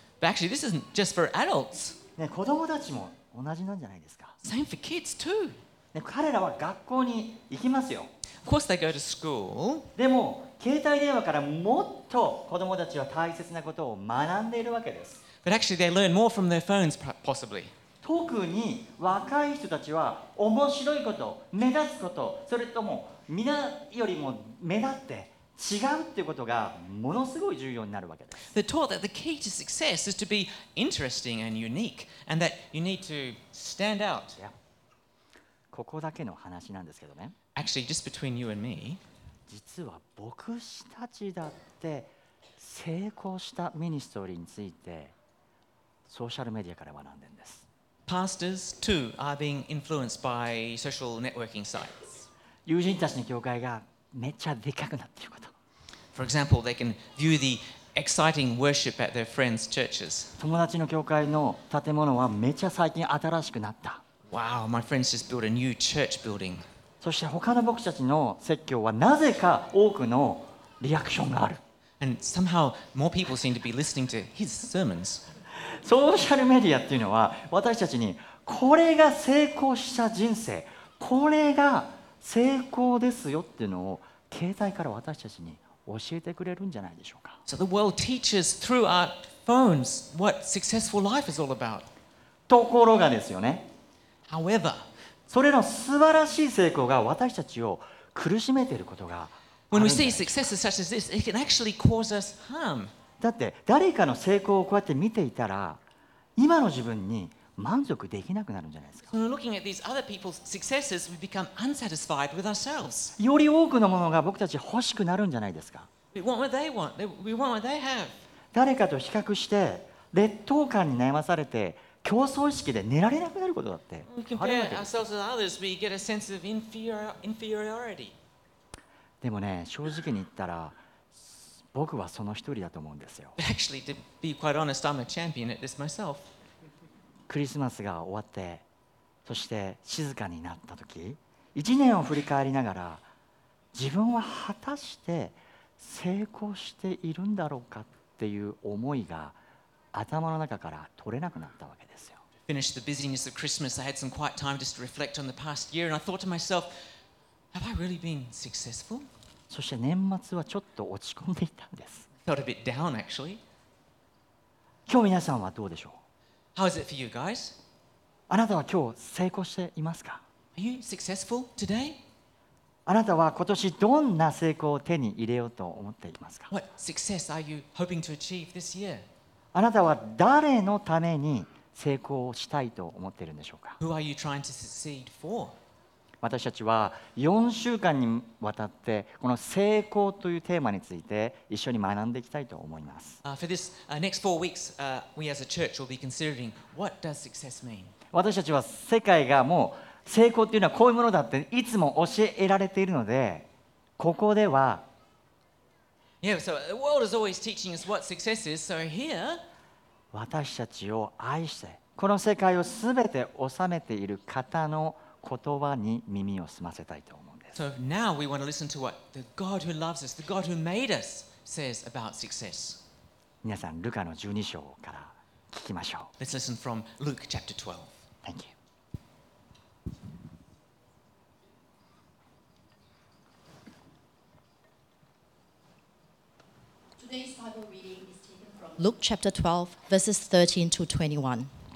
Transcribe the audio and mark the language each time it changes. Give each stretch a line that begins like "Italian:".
English: But actually, this isn't just for adults.
Japanese: ね、子供たちも同じなんじゃないですか。
English: Same for kids too.
Japanese: ね、彼らは学校に行きますよ。
English: Of course, they go to school.
Japanese: でも携帯電話からもっと子供たちは大切なことを学んでいるわけです。
English: But actually, they learn more from their phones, possibly.
Japanese: 特に若い人たちは面白いこと、目立つこと、それとも皆よりも目立って違うっていうことがものすごい重要になるわけです。
English: They're taught that the key to success is to be interesting and unique, and that you need to stand out. Yeah.
Japanese: ここだけの話なんですけどね。
English: Actually, just between you and me,
Japanese: 実は牧師たちだって成功したミニストーリーについてソーシャルメディアから学んでるんです。
English: Pastors too are being influenced by social networking sites.
Japanese: 友人たちの教会がめっちゃでかくなっていること。
English: For example, they can view the exciting worship at their friends' churches.
Japanese: 友達の教会の建物はめっちゃ最近新しくなった。
English: Wow, my friends just built a new church building.
Japanese: そして他の牧師たちの説教はなぜか多くのリアクションがある。
English: And somehow more people seem to be listening to his sermons.
Japanese: ソーシャルメディアっていうのは私たちにこれが成功した人生、これが成功ですよっていうのを携帯から私たちに教えてくれるんじゃないでしょうか。
English: So the world teaches through our phones what successful life is all about.
Japanese: ところがですよね。
English: However,
Japanese: それの素晴らしい成功が私たちを苦しめていることがあるんじゃないでしょうか。
English: When we see successes such as this, it can actually cause us harm.
Japanese: だって誰かの成功をこうやって見ていたら今の自分に満足できなくなるんじゃないですか。
English: So looking at these other people's successes, we become unsatisfied with ourselves.
Japanese: より多くのものが僕たち欲しくなるんじゃないですか。
English: We want what they want. We want what they have.
Japanese: 誰かと比較して劣等感に悩まされて競争意識で寝られなくなることだってあるわけです。
English: We compare ourselves with others. We get a sense of inferiority.
Japanese: でもね、正直に言ったら僕はその一人だと思うんですよ。
English: But actually, to be quite honest, I'm a champion at this myself.
Japanese: クリスマスが終わって、そして静かになった時、一年を振り返りながら、自分は果たして成功しているんだろうかっていう思いが頭の中から取れなくなったわけですよ。
English: Finished the busyness of Christmas, I had some quiet time just to reflect on the past year, and I thought to myself, have I really been successful?
Japanese: そして年末はちょっと落ち込んでいたんです。
English: Felt a bit down, actually.
Japanese: 今日皆さんはどうでしょう?
English: How is it for you guys?
Japanese: あなたは今日成功していますか?
English: Are you successful today?
Japanese: あなたは今年どんな成功を手に入れようと思っていますか?
English: What success are you hoping to achieve this year?
Japanese: あなたは誰のために成功をしたいと思っているんでしょうか?
English: Who are you trying to succeed for?
Japanese: 私たちは4週間にわたってこの成功というテーマについて一緒に学んでいきたいと思います。
English: For this next 4 weeks, we as a church will be considering what does success mean?
Japanese: 私たちは世界がもう成功というのはこういうものだっていつも教えられているのでここでは
English: Yeah, so the world is always teaching us what success is, so here
Japanese: 私たちを愛してこの世界をすべて治めている方の言葉に耳を澄ませたいと思うんです。
English: So now we want to listen to what the God who loves us, the God who made us, says about success.
Japanese: 皆さん、ルカの十二章から聞きましょう。
English: Let's listen from Luke chapter 12. Thank you. Today's Bible reading is taken from Luke chapter 12, verses 13 to 21.